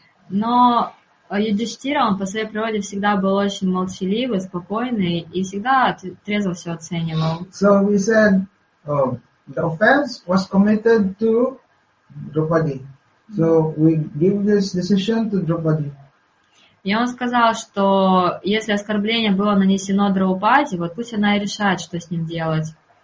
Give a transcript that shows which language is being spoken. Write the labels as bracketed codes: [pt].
[ru] Но Юдхиштхира, он по своей природе всегда был очень молчаливый, спокойный и всегда трезво все оценивал. [en] So we said, the offense was committed to Draupadi. So we give this decision to Draupadi. [ru] И он сказал, что если оскорбление было нанесено Драупаде, вот пусть она и решает, что с ним делать.